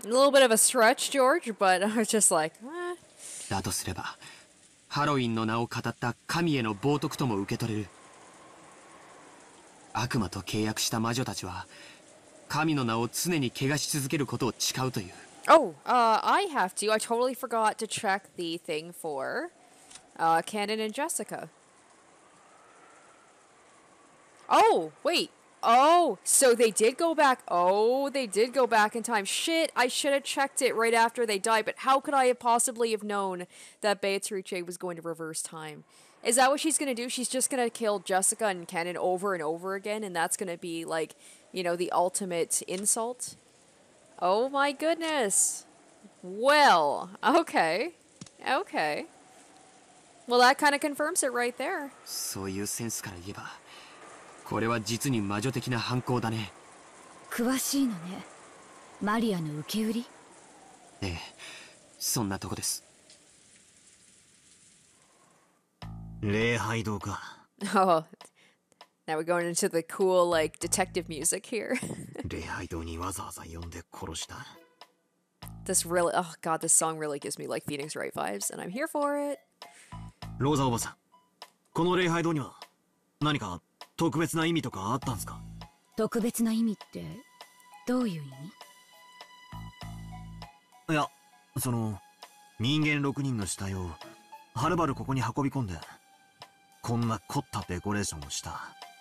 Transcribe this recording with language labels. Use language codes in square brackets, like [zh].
[en] A little bit of a stretch, George, but I was just like, [ja] だとすれば、ハロウィンの名を語った神への冒涜とも受け取れる。悪魔と契約した魔女たちは、神の名を常に汚し続けることを誓うという。 [en] I totally forgot to check the thing for Kanon and Jessica. Oh, wait. Oh, so they did go back. Oh, they did go back in time. Shit, I should have checked it right after they died, but how could I have possibly have known that Beatrice was going to reverse time? Is that what she's going to do? She's just going to kill Jessica and Kanon over and over again, and that's going to be, like, you know, the ultimate insult? Oh my goodness. Well, okay. Okay. Well, that kind of confirms it right there. [ja] そういうセンスから言えば、これは実に魔女的な犯行だね。詳しいのね。マリアの受け売り？ええ、そんなとこです。礼拝堂か。 [en] Oh, now we're going into the cool, like, detective music here. [ja] 礼拝堂にわざわざ呼んで殺した。 [en] This really, oh god, this song really gives me like Phoenix Wright vibes, and I'm here for it. [ja] ローザおばさん、この礼拝堂には何か特別な意味とかあったんですか？特別な意味ってどういう意味？いや、その人間6人の死体をはるばるここに運び込んで、こんな凝ったデコレーションをした。